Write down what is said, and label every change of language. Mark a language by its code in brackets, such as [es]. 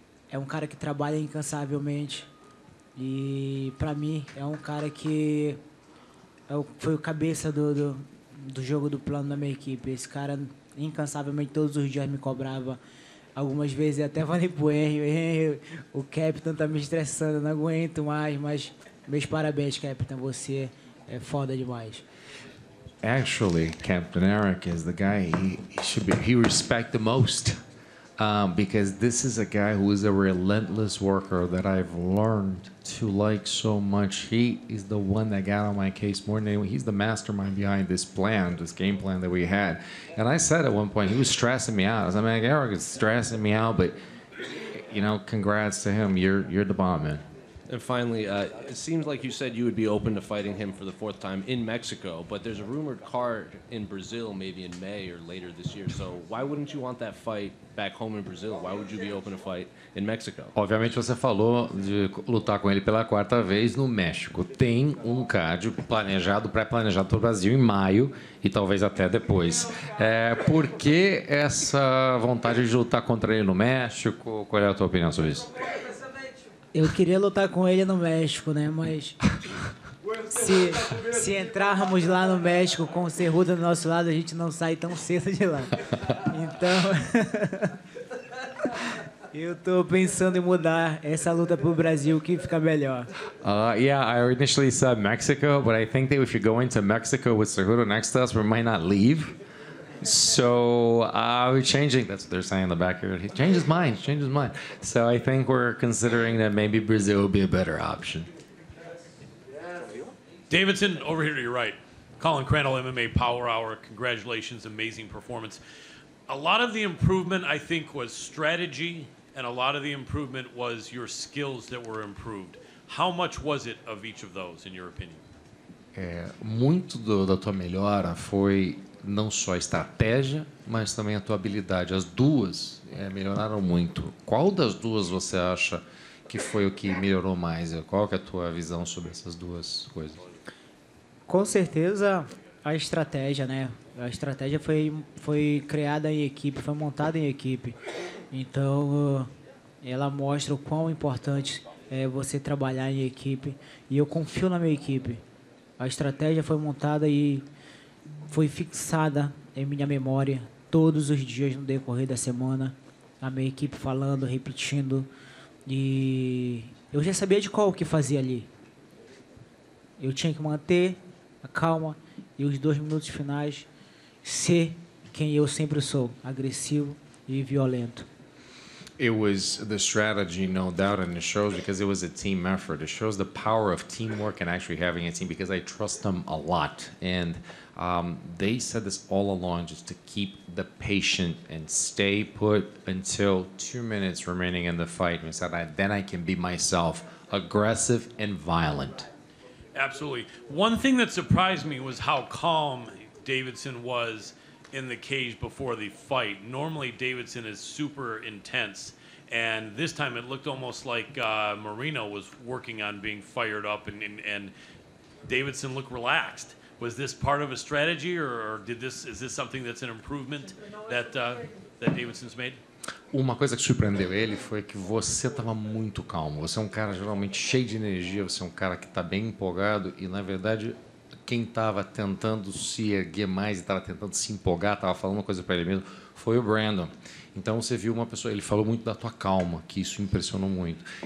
[pt] É um cara que trabalha incansavelmente e, para mim, é um cara que foi o cabeça do jogo, do plano da minha equipe. Esse cara, incansavelmente, todos os dias me cobrava. Algumas vezes até falei pro Henrique, o Capitão tá me estressando, não aguento mais, mas meus parabéns, Capitão, você é foda demais. [en] Actually, Captain Eric is the guy he respect the most. Because this is a guy who is a relentless worker that I've learned to like so much. He is the one that got on my case more than anyone. He's the mastermind behind this plan, this game plan that we had. And I said at one point, he was stressing me out. I was like, Eric is stressing me out, but, you know, congrats to him. You're the bomb, man. And finally, it seems like you said you would be open to fighting him for the fourth time in Mexico, but there's a rumored card in Brazil maybe in May or later this year. So why wouldn't you want that fight back home in Brazil? Why would you be open to fight in Mexico? [pt] Obviamente você falou de lutar com ele pela quarta vez no México. Tem um card planejado, pré-planejado para o Brasil em maio e talvez até depois. Por que essa vontade de lutar contra ele no México? Qual é a tua opinião sobre isso? Eu queria lutar com ele no México, né? Mas se entrarmos lá no México com o Cerruda do nosso lado, a gente não sai tão cedo de lá. Então, eu estou pensando em mudar essa luta para o Brasil, que fica melhor. [en] Yeah, I initially said Mexico, but I think that if you go into Mexico with Cerruda next to us, we might not leave. So we're changing. That's what they're saying in the back here. He changed his mind. So I think we're considering that maybe Brazil would be a better option. Davidson, over here to your right. Colin Crandall, MMA Power Hour. Congratulations, amazing performance. A lot of the improvement, I think, was strategy, and a lot of the improvement was your skills that were improved. How much was it of each of those, in your opinion? [pt] Muito da tua melhora foi não só a estratégia, mas também a tua habilidade. As duas melhoraram muito. Qual das duas você acha que foi o que melhorou mais? Qual que é a tua visão sobre essas duas coisas? Com certeza, a estratégia, né? A estratégia foi criada em equipe, foi montada em equipe. Então, ela mostra o quão importante é você trabalhar em equipe. E eu confio na minha equipe. A estratégia foi montada e foi fixada em minha memória todos os dias no decorrer da semana, a minha equipe falando, repetindo, e eu já sabia de qual o que fazia ali. Eu tinha que manter a calma e os 2 minutos finais ser quem eu sempre sou, agressivo e violento. [en] It was the strategy, no doubt, and it shows because it was a team effort. It shows the power of teamwork and actually having a team because I trust them a lot. And they said this all along, just to keep the patient and stay put until 2 minutes remaining in the fight. And said, then I can be myself, aggressive and violent. Absolutely. One thing that surprised me was how calm Davidson was in the cage before the fight. Normally, Davidson is super intense, and this time it looked almost like Marino was working on being fired up, and Davidson looked relaxed. Was this part of a strategy, or is this something that's an improvement that Davidson's made? [pt] Uma coisa que surpreendeu ele foi que você estava muito calmo. Você é um cara geralmente cheio de energia, você é um cara que está bem empolgado, e na verdade quem estava tentando se erguer mais e estava tentando se empolgar, estava falando uma coisa para ele mesmo, foi o Brandon. Então você viu uma pessoa, ele falou muito da tua calma, que isso impressionou muito.